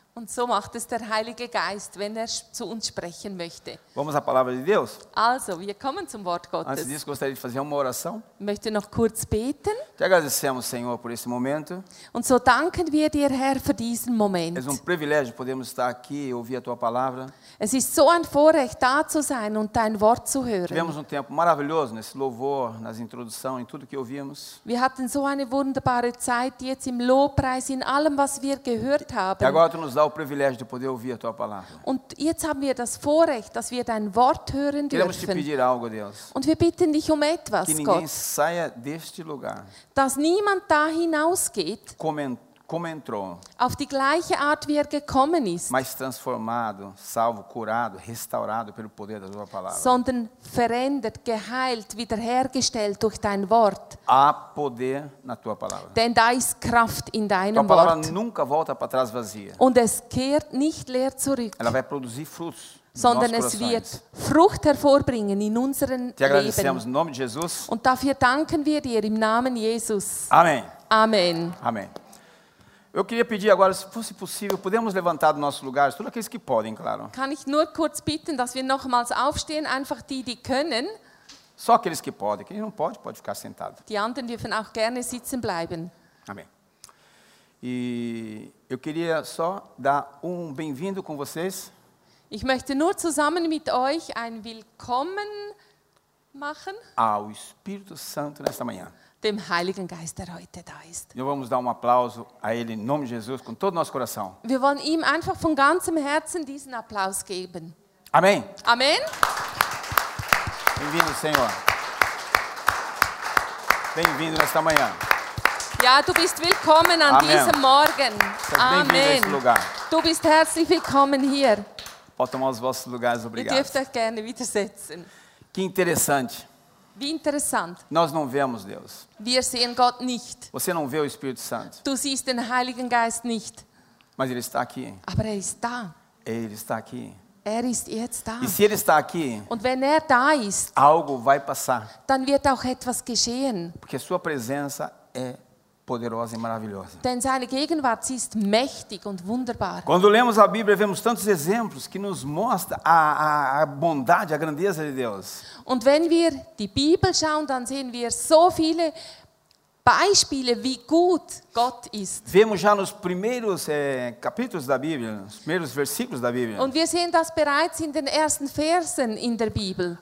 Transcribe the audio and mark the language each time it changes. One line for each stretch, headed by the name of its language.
German: Und so macht es der Heilige Geist, wenn er zu uns sprechen möchte.
Portuguese: Vamos à palavra de Deus?
German: Also, wir kommen zum Wort Gottes.
Portuguese: Antes disso, gostaria de fazer uma oração.
German: Möchte noch kurz beten.
Portuguese: Te agradecemos, Senhor, por este momento.
German: Und so danken wir dir, Herr, für diesen Moment.
Portuguese: É um privilégio podermos estar aqui e ouvir a tua palavra.
German: Es ist so ein Vorrecht, da zu sein und dein Wort zu hören.
Portuguese: Tivemos um tempo maravilhoso nesse louvor, nas introduções, em tudo que ouvimos.
German: Wir hatten so eine wunderbare Zeit jetzt im Lobpreis, in allem, was wir gehört haben.
Portuguese: E agora tu nos dá o privilégio de poder ouvir a tua palavra.
German: Und jetzt haben wir das Vorrecht, dass wir dein Wort hören dürfen.
Portuguese: Queremos te pedir algo, Deus.
German: Und wir bitten dich um etwas,
Portuguese: que
German: Gott.
Portuguese: Que ninguém saia deste lugar.
German: Dass niemand da hinausgeht.
Portuguese: Como entrou.
German: Auf die gleiche Art, wie er gekommen ist.
Portuguese: Mas transformado, salvo, curado, restaurado pelo poder da tua palavra.
German: Sondern verändert, geheilt, wiederhergestellt durch dein Wort.
Portuguese: Há poder na tua palavra.
German: Denn da ist Kraft in deinem Wort.
Portuguese: Tua palavra
German: Wort.
Portuguese: Nunca volta para trás vazia.
German: Und es kehrt nicht leer zurück.
Portuguese: Ela vai produzir frutos.
German: Sondern es wird Frucht hervorbringen in unseren
Portuguese: Te agradecemos
German: Leben. Im Namen Jesus. Und dafür danken wir dir im Namen Jesus. Amen. Amen. Amen.
Portuguese: Eu queria pedir agora, se fosse possível, podemos levantar do nosso lugar, todos aqueles que podem, claro.
German: Kann ich nur kurz bitten, dass wir nochmals aufstehen, einfach die, die können.
Portuguese: Só aqueles que podem. Quem não pode, pode ficar sentado.
German: Die anderen dürfen auch gerne sitzen bleiben.
Portuguese: Amém. E eu queria só dar um bem-vindo com vocês.
German: Ich möchte nur zusammen mit euch ein Willkommen machen.
Portuguese: Ao Espírito Santo nesta manhã.
German: Dem Heiligen Geist, der heute da ist.
Portuguese: Nós vamos dar um aplauso a ele em nome de Jesus com todo o nosso coração.
German: Wir wollen ihm einfach von ganzem Herzen diesen Applaus geben.
Portuguese: Amém. Amém. Bem-vindo, Senhor. Bem-vindo nesta manhã.
German: Ja, du bist willkommen an diesem Morgen.
Portuguese: Amém.
German: Du bist herzlich willkommen hier.
Portuguese: Pode tomar os vossos lugares, obrigado.
German: Du dürft euch gerne wieder setzen.
Portuguese: Que interessante.
German: Wie interessant.
Portuguese: Nós não vemos Deus.
German: Wir sehen Gott nicht.
Portuguese: Você não vê o Espírito Santo.
German: Du siehst den Heiligen Geist nicht.
Portuguese: Mas ele está aqui.
German: Aber er ist da.
Portuguese: Ele está aqui.
German: Er ist jetzt da.
Portuguese: E se ele está aqui,
German: und wenn er da ist,
Portuguese: algo vai passar.
German: Dann wird auch etwas geschehen.
Portuguese: Porque sua presença é poderosa e maravilhosa.
German: Denn seine Gegenwart ist mächtig und wunderbar.
Portuguese: Quando lemos a Bíblia, vemos tantos exemplos que nos mostra a bondade, a grandeza de Deus.
German: Und wenn wir die Bibel schauen, dann sehen wir so viele Beispiele, wie gut Gott ist.
Portuguese: Vemos já nos primeiros capítulos da Bíblia, nos primeiros versículos da Bíblia.
German: Und wir sehen das bereits in den ersten Versen in der Bibel.